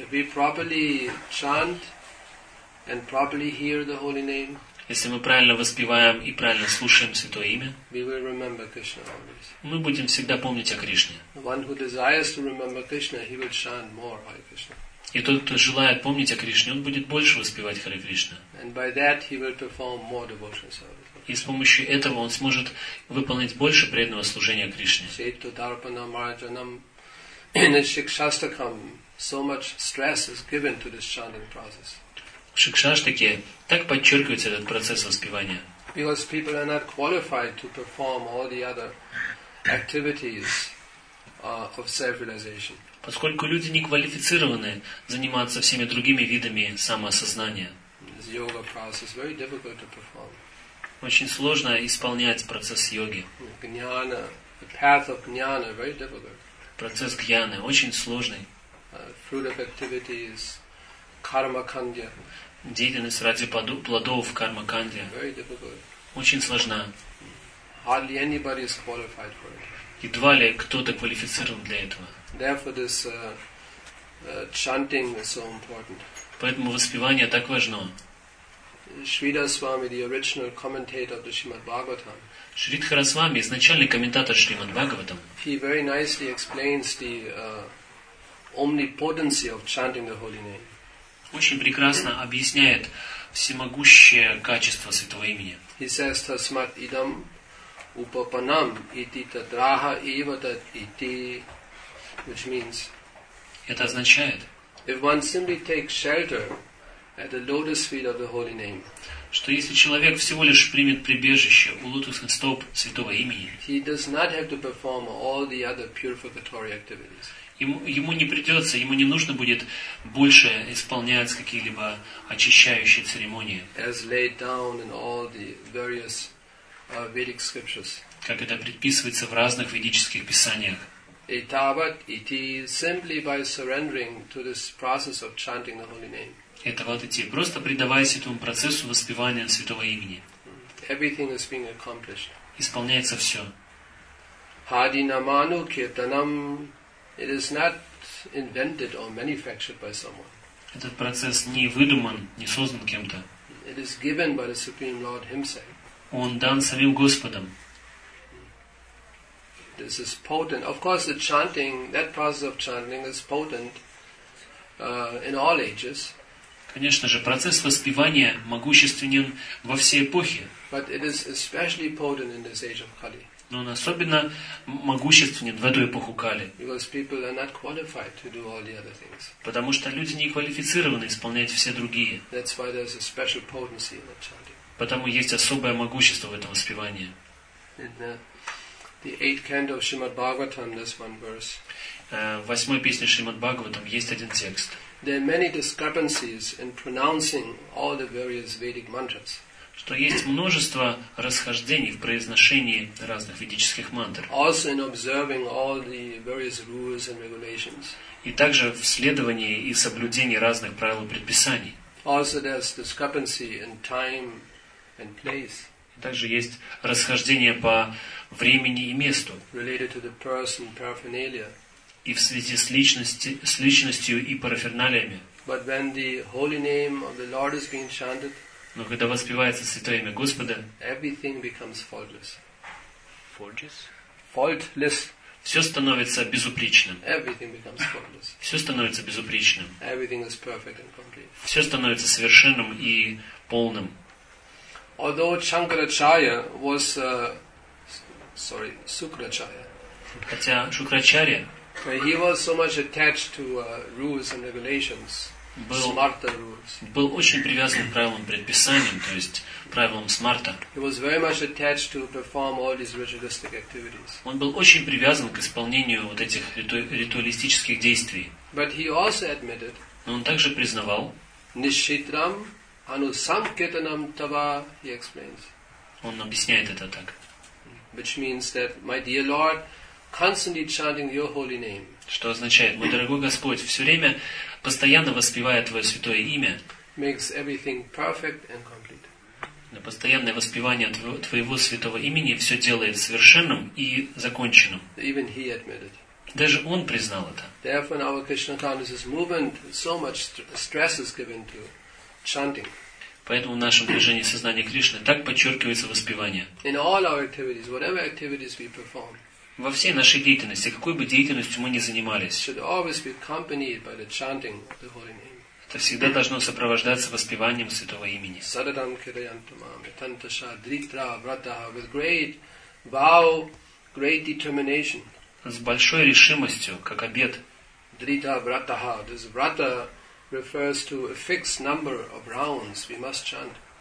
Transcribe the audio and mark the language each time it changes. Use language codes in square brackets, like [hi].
[ru] Мы правильно [en] chant and properly hear the holy name. [ru] Если мы правильно воспеваем и правильно слушаем Святое Имя, [en] we will remember Krishna always. [ru] Мы будем всегда помнить о Кришне. [en] One who desires to remember Krishna, he will chant more Hare Krishna. [ru] И тот, кто желает помнить о Кришне, он будет больше воспевать Харе Кришна. [en] And by that he will perform more devotional service. [ru] И с помощью этого он сможет выполнить больше преданного служения Кришне. [sa] Сетту дарпана марджанам шикшастакам. [en] So much stress is given to this chanting process. [ru] В Шикшаштаке так подчеркивается этот процесс воспевания. [en] Because people are not qualified to perform all the other activities of self-realization. [ru] Поскольку люди не квалифицированы заниматься всеми другими видами самоосознания. [en] This yoga process is very difficult to perform. [ru] Очень сложно исполнять процесс йоги. [en] Gnana, the path of gnana very difficult. [ru] Процесс гьяны очень сложный. [en] Fruit of activities, karma kandya. [ru] Деятельность ради плодов, карма кандия, очень сложна. [en] Hardly anybody is qualified for it. [ru] Едва ли кто-то квалифицирован для этого. [en] Therefore this chanting is so important. [ru] Поэтому воспевание так важно. [en] Shridhar Swami, the original commentator of the Srimad Bhagavatam. [ru] Shridhar Swami, изначальный комментатор Шримад Бхагаватам. [en] He very nicely explains the omnipotency of chanting the holy name. [ru] Очень прекрасно объясняет всемогущее качество святого имени. [en] He says [sa] tasmat idam upapanam iti tadraha eva tad iti, [en] which means. [ru] Это означает. [en] If one simply takes shelter at the lotus feet of the holy name. [ru] Что если человек всего лишь примет прибежище у лотосных стоп святого имени. [en] He does not have to perform all the other purificatory activities. [ru] Ему не придется, ему не нужно будет больше исполнять какие-либо очищающие церемонии. [en] As laid down in all the various Vedic scriptures. [ru] Как это предписывается в разных ведических писаниях. [sa] Etavat iti, [en] simply by surrendering to this process of chanting the holy name. [ru] Этого идти, просто предаваясь этому процессу воспевания святого имени. [en] Everything is being accomplished. [ru] Исполняется все. [sa] Hadi namanu kirtanam. [en] It is not invented or manufactured by someone. [ru] Этот процесс не выдуман, не создан кем-то. [en] It is given by the Supreme Lord Himself. [ru] Он дан самим Господом. [en] This is potent. Of course, the chanting, that process of chanting is potent in all ages. [ru] Конечно же, процесс воспевания могущественен во все эпохи. [en] But it is especially potent in this age of Kali. [ru] Но он особенно могущественен в эту эпоху Кали. [en] Because people are not qualified to do all the other things. [ru] Потому что люди не квалифицированы исполнять все другие. [en] That's why there's a special potency in the chanting. [ru] Потому есть особое могущество в этом воспевании. [en] The eighth canto of Srimad Bhagavatam, this one verse. [ru] Восьмой песни Шримад Бхагаватам есть один текст. [en] There are many discrepancies in pronouncing all the various Vedic mantras. [ru] Что есть множество расхождений в произношении разных ведических мантр. [en] Also in observing all the various rules and regulations. [ru] И также в следовании и соблюдении разных правил и предписаний. [en] Also there's discrepancy in time and place. [ru] Также есть расхождение по времени и месту. [en] Related to the person, paraphernalia. [ru] И в связи с личностью и параферналиями. [en] But when the holy name of the Lord is being chanted, [ru] но когда воспевается святое имя Господа, [en] everything becomes faultless. Faultless? Faultless. [ru] Все становится безупречным. [en] Everything becomes faultless. [ru] Все становится безупречным. [en] Everything is perfect and complete. [ru] Все становится совершенным и полным. [en] Although Shankaracharya was, Shukracharya. [ru] Хотя Шукрачарья. [en] He was so much attached to rules and regulations. [ru] Был очень привязан к правилам предписаниям, то есть правилам смарта. [en] He was very much attached to perform all these ritualistic activities. [ru] Он был очень привязан к исполнению вот этих ритуалистических действий. [en] But he also admitted. [ru] Но он также признавал. [sa] Нишитрам. Anu sam ketanam tava, [en] he explains. [ru] Он объясняет это так. [en] Which means that, my dear Lord, constantly chanting your holy name. [ru] Что означает, мой дорогой Господь, все время постоянно воспевая твое святое имя. [en] Makes everything perfect and complete. [ru] На постоянное воспевание твоего святого имени все делает совершенным и законченным. [en] Even he admitted. [ru] Даже он признал это. [en] Therefore, in our Krishna consciousness movement, so much stress is given to. Chanting. [ru] Поэтому в нашем движении сознания Кришны так подчеркивается воспевание. [en] In all our activities, whatever activities we perform. [ru] Во всей нашей деятельности, какой бы деятельностью мы ни занимались. [en] Should always be accompanied by the chanting of the holy name. [ru] Это всегда должно сопровождаться воспеванием святого имени. [sa] Sadadam kiriyantamam etantasha dritra vrataha [en] with great vow, great determination. [ru] С большой решимостью, как обет. [sa] Dritra vrataha, [en] this vrata refers to a fixed number of rounds we must chant.